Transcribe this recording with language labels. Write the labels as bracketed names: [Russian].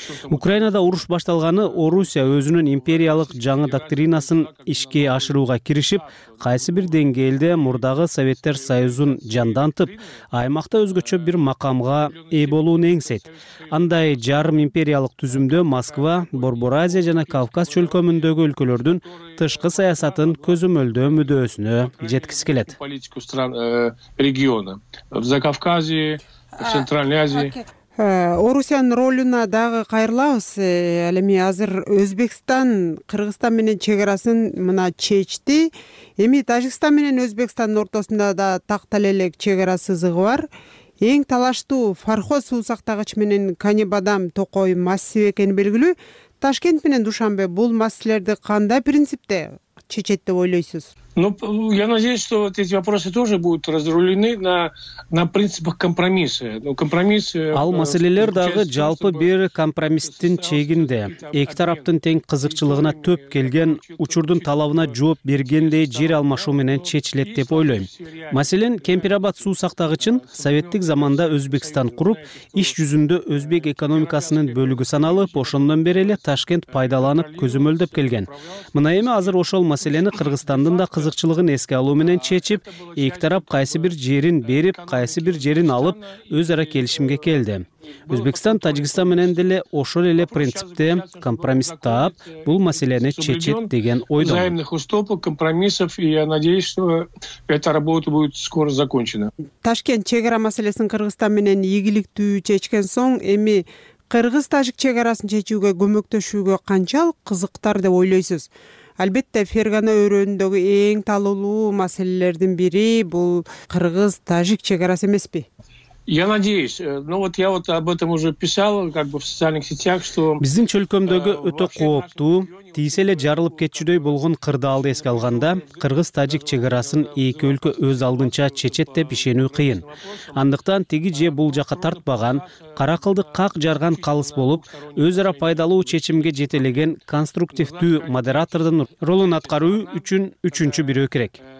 [Kyrgyz] Украинада уруш башталганы Орусия өзүнүн империялык жаңы доктринасын ишке ашырууга киришип, кайсы бир деңгээлде мурдагы Советтер Союзун жандантып, аймакта өзгөчө бир макамга ээ болууну эңсейт. Андай жарым империялык түзүмдө Москва, Борбор Азия жана Кавказ чөлкөмүндөгү өлкөлөрдүн тышкы саясатын көзөмөлдөө мүдөөсүнө жеткиси келет. [Russian] Политику стран региона в Закавказье, в Центральной Азии. [Kyrgyz] Орусиянын ролуна дагы кайрылабыз. Ал эми азыр Өзбекстан Кыргызстан менен чек арасын мына чечти. Эми Тажикстан менен Өзбекстандын ортосунда да тактала элек чек ара сызыгы бар. Эң талаштуу фархоз суу сактагыч менен Кани Бадам токой массиви экени белгилүү. Ташкент менен Душанбе бул маселелерди кандай принципте чечет деп ойлойсуз? [Russian] Ну, я надеюсь, что вот эти вопросы тоже будут разрулены на принципах компромисса. Ну, компромисс... [Kyrgyz] Ал маселелер дагы жалпы бир компромисстин чегинде. Эки тараптын тең кызыкчылыгына төп келген, учурдун талабына жооп бергендей жер алмашуу менен чечилет деп ойлойм. Маселен, Кемпир-Абад суу сактагычын советтик заманда Өзбекстан куруп, иш жүзүндө өзбек экономикасынын бөлүгү саналып, ошондон бери эле Ташкент пайдаланып көзөмөлдөп келген. Мына эми азыр ошол маселени Кыргызстандын да кызыкчылыгын эске алуу менен чечип, эки тарап кайсы бир жерин берип, кайсы бир жерин алып, өз ара келишимге келди. Өзбекстан Таджикстан менен деле ошол эле принципте компромисс таап, бул маселени чечет деген ойдо. [Russian] Взаимных уступок, компромиссов, и я надеюсь, что эта работа будет скоро закончена. [Kyrgyz] Ташкент чек ара маселесин Кыргызстан менен ийгиликтүү чечкен соң, эми Кыргыз-Таджик чек арасын чечүүгө көмөктөшүүгө канчалык кызыктар деп ойлойсуз? Албетте, Фергана өрөөндөгү эң талуулуу маселелердин бири бул Кыргыз-Таджик чек арасы эмеспи? [Russian] Я надеюсь, ну вот я вот об этом уже писал как бы в социальных сетях, что [Kyrgyz] биздин чөлкөмдөгү өтө кооптуу, тийсе эле жарылып кетчүдөй болгон кырдаалды эске алганда, Кыргыз-Таджик чек арасын эки өлкө өз алдынча чечет деп ишенүү кыйын. Андыктан тиги же бул жака тартпаган, кара кылды как жарган калыс болуп, өз ара пайдалуу чечимге жетелеген конструктивдүү модератордун ролун аткаруу үчүн үчүнчү бирөө керек.